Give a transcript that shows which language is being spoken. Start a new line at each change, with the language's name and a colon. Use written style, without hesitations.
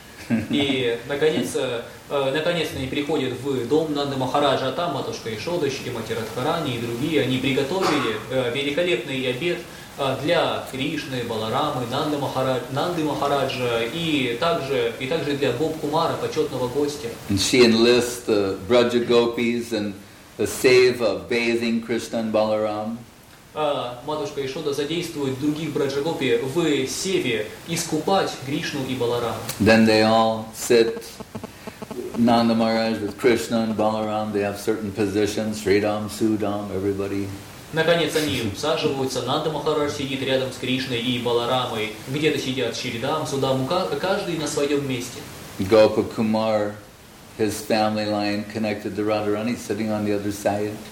Russian: И наконец-то они приходят в дом Нанды Махараджа, там матушка Яшода, Шримати Радхарани и другие, они приготовили великолепный обед для Кришны, Баларамы, Нанды Махараджа и также для Гопа Кумара, почетного гостя.
English: And she enlists the Braja Gopis and the seva bathing Krishna and Balaram.
Russian: Матушка Яшода задействует других Браджагопи в севе искупать Кришну и Баларам.
English: Then they all sit Nanda Maharaj with Krishna and Balaram. They have certain positions, Sridham, Sudham, everybody.
Russian: Наконец они усаживаются, Нанда Махарадж сидит рядом с Кришной и Баларамой. Где-то сидят Шридам, Судам, каждый на своем месте.
English: Gopa Kumar, his family line connected to Radharani, sitting on the other side.